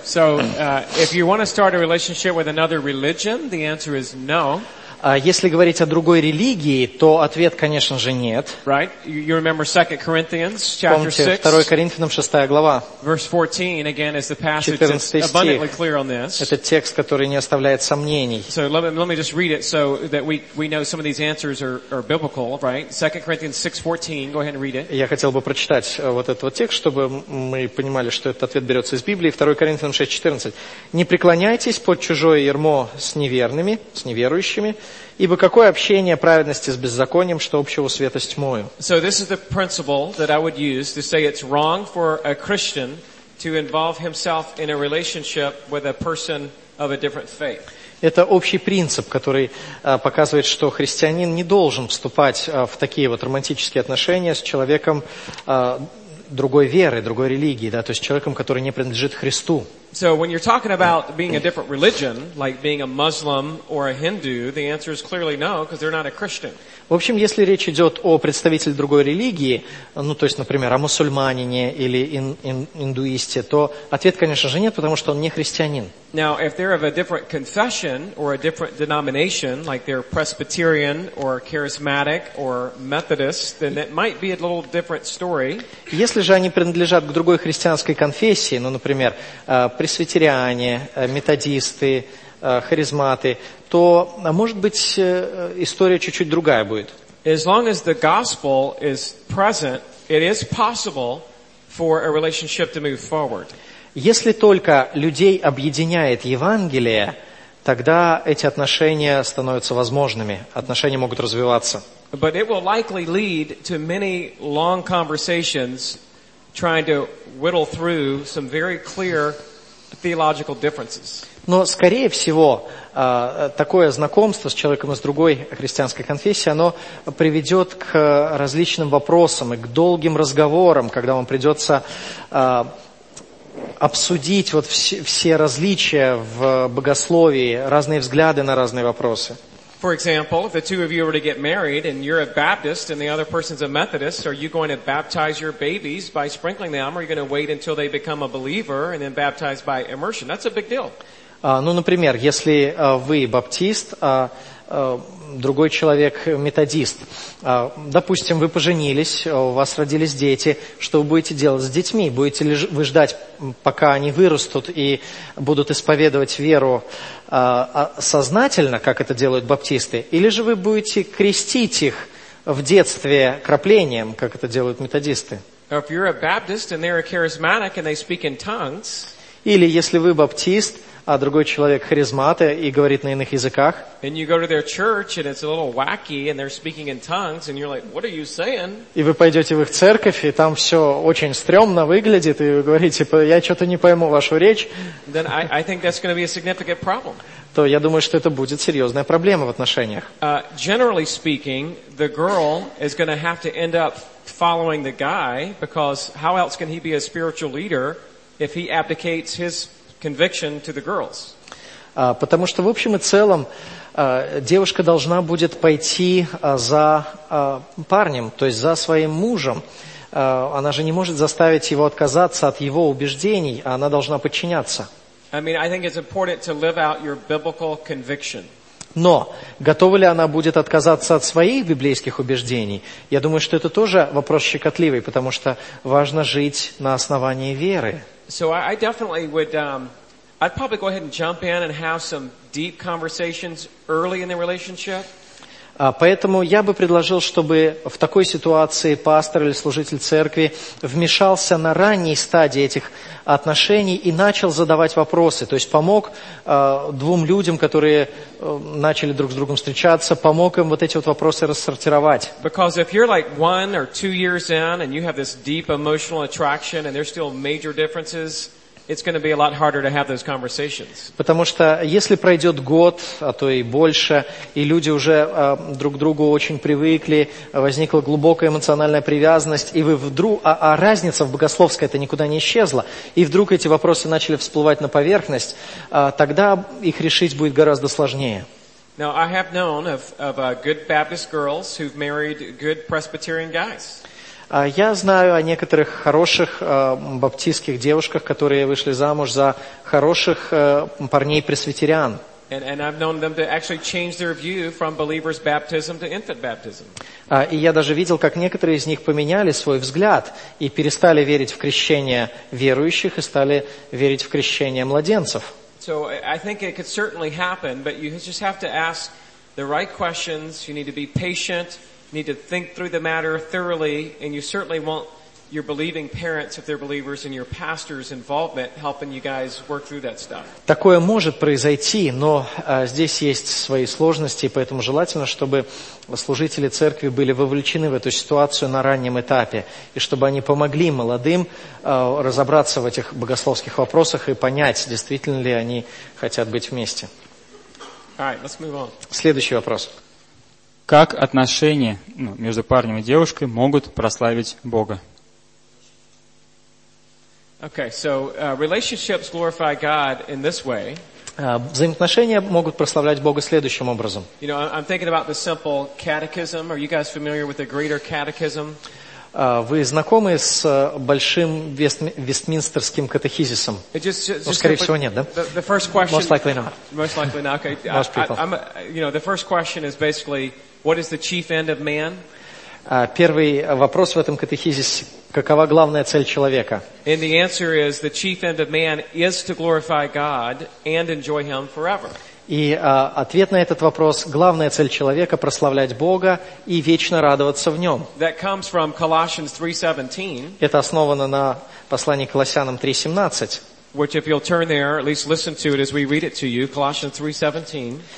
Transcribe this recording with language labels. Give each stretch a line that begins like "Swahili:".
English: So, if you want to start a relationship with another religion, the answer is no.
Russian: Если говорить о другой религии, то ответ, конечно же, нет.
English: Right? You remember 2 Corinthians chapter
Russian: 6. Помните, 2 Коринфянам 6 глава.
English: Verse 14 again is the passage that's abundantly clear on this.
Russian: Это текст, который не оставляет сомнений.
English: So let me just read it so that we know some of these answers are biblical, right? 2 Corinthians 6:14. Go ahead and read it.
Russian: Я хотел бы прочитать вот этот текст, чтобы мы понимали, что этот ответ берется из Библии. 2 Коринфянам 6:14. Не преклоняйтесь под чужое ярмо с неверными, с неверующими. Ибо какое общение праведности с беззаконием, что общего света с тьмою?
English: So this is the principle that I would use to say it's wrong for a Christian to involve himself in a relationship with a person of a different faith.
Russian: Это общий принцип, который показывает, что христианин не должен вступать в такие вот романтические отношения с человеком другой веры, другой религии, да, то есть человеком, который не принадлежит Христу.
English: So when you're talking about being a different religion, like being a Muslim or a Hindu, the answer is clearly no, because they're not a Christian.
Russian: В общем, если речь идет о представителе другой религии, ну, то есть, например, о мусульманине или индуисте, то ответ, конечно же, нет, потому что он не христианин.
English: Now, if they're of a different confession or a different denomination, like they're Presbyterian or Charismatic or Methodist, then it might be a little different story.
Russian: Если же они принадлежат к другой христианской конфессии, ну, например, пресвитериане, методисты, харизматы, то, может быть, история чуть-чуть другая будет.
English: As long as the gospel is present, it is possible for a relationship to move forward.
Russian: Если только людей объединяет Евангелие, тогда эти отношения становятся возможными, отношения могут развиваться.
English: But it will likely lead to many long conversations trying to whittle through some very clear theological differences.
Russian: Но, скорее всего, такое знакомство с человеком из другой христианской конфессии, оно приведет к различным вопросам и к долгим разговорам, когда вам придется обсудить вот все различия в богословии, разные взгляды на разные вопросы.
English: For example, if the two of you were to get married and you're a Baptist and the other person's a Methodist, are you going to baptize your babies by sprinkling them, or are you going to wait until they become a believer and then baptize by immersion? That's a big deal.
Russian: Ну, например, если вы баптист, а другой человек методист, допустим, вы поженились, у вас родились дети, что вы будете делать с детьми? Будете ли вы ждать, пока они вырастут и будут исповедовать веру сознательно, как это делают баптисты, или же вы будете крестить их в детстве кроплением, как это делают методисты?
English: If you're a Baptist and they're a charismatic and they speak in tongues.
Russian: Или если вы баптист, а другой человек харизмат и говорит на иных языках.
English: And you go to their church and it's a little wacky and they're speaking in tongues and you're like, what are you saying?
Russian: И вы пойдете в их церковь, и там все очень стрёмно выглядит, и вы говорите, я что-то не пойму вашу речь.
English: Then I think that's going to be a significant problem.
Russian: То я думаю, что это будет серьезная проблема в отношениях.
English: Generally speaking, the girl is going to have to end up following the guy, because how else can he be a spiritual leader if he abdicates his conviction to the girls.
Russian: Потому что в общем и целом девушка должна будет пойти за парнем, то есть за своим мужем. Она же не может заставить его отказаться от его убеждений, а она должна подчиняться.
English: I mean, I think it's important to live out your biblical conviction.
Russian: Но готова ли она будет отказаться от своих библейских убеждений? Я думаю, что это тоже вопрос щекотливый, потому что важно жить на основании веры.
English: So I definitely would, I'd probably go ahead and jump in and have some deep conversations early in the relationship.
Russian: Поэтому я бы предложил, чтобы в такой ситуации пастор или служитель церкви вмешался на ранней стадии этих отношений и начал задавать вопросы, то есть помог двум людям, которые начали друг с другом встречаться, помог им вот эти вот вопросы рассортировать.
English: Because if you're like 1 or 2 years in and you have this deep emotional attraction and there's still major differences, it's going to be a lot harder to have those conversations.
Russian: Потому что если пройдет год, а то и больше, и люди уже друг к другу очень привыкли, возникла глубокая эмоциональная привязанность, и вы вдруг, а разница в богословской это никуда не исчезла, и вдруг эти вопросы начали всплывать на поверхность, тогда их решить будет гораздо сложнее.
English: Now I have known of good Baptist girls who've married good Presbyterian guys.
Russian: Я знаю о некоторых хороших баптистских девушках, которые вышли замуж за хороших парней-пресвитериан.
English: And I've known them to actually change their view from believer's baptism to infant baptism.
Russian: И я даже видел, как некоторые из них поменяли свой взгляд и перестали верить в крещение верующих и стали верить в крещение младенцев.
English: So I think it could certainly happen, but you just have to ask the right questions. You need to be patient. You need to think through the matter thoroughly, and you certainly won't. Your believing parents, if they're believers, and your pastor's involvement helping you guys work through that stuff.
Russian: Такое может произойти, но здесь есть свои сложности, поэтому желательно, чтобы служители церкви были вовлечены в эту ситуацию на раннем этапе, и чтобы они помогли молодым разобраться в этих богословских вопросах и понять, действительно ли они хотят быть вместе.
English: All right, let's move on.
Russian: Следующий вопрос. Как отношения между парнем и девушкой могут прославить Бога?
English: Okay, so relationships glorify God in this way.
Russian: Взаимоотношения могут прославлять Бога следующим образом.
English: You know, I'm thinking about the simple catechism. Are you guys familiar with the greater catechism?
Russian: Вы знакомы с большим Вестминстерским катехизисом? Скорее всего, нет, да?
English: The first question, most likely not. Most likely not. Okay. Most people. The first question is basically, what is the chief end of man?
Russian: Первый вопрос в этом катехизисе: какова главная цель человека?
English: And the answer is the chief end of man is to glorify God and enjoy Him forever.
Russian: И ответ на этот вопрос: главная цель человека — прославлять Бога и вечно радоваться в Нем.
English: That comes from Colossians 3:17.
Russian: Это основано на послании к Колоссянам 3:17.
English: Which, if you'll turn there, at least listen to it as we read it to you, Colossians 3:17.